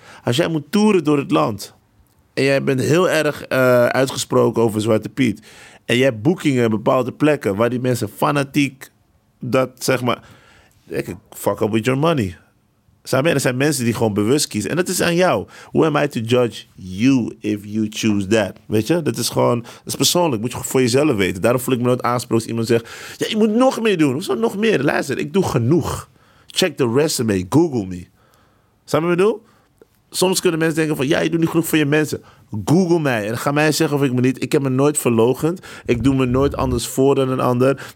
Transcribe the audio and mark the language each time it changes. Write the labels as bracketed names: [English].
[Dutch] Als jij moet toeren door het land en jij bent heel erg uitgesproken over Zwarte Piet en jij hebt boekingen in bepaalde plekken waar die mensen fanatiek dat, zeg maar, ik [English] fuck up with your money. [Dutch] Er zijn mensen die gewoon bewust kiezen. En dat is aan jou. [English] Who am I to judge you if you choose that? [Dutch] Weet je? Dat is gewoon, dat is persoonlijk. Moet je voor jezelf weten. Daarom voel ik me nooit aanspraak als iemand zegt, ja, je moet nog meer doen. Hoezo nog meer? Luister, ik doe genoeg. [English] Check the resume. Google me. [Dutch] Zou je wat ik bedoel? Soms kunnen mensen denken van, ja, je doet niet genoeg voor je mensen. Google mij. En ga mij zeggen of ik me niet. Ik heb me nooit verloochend. Ik doe me nooit anders voor dan een ander.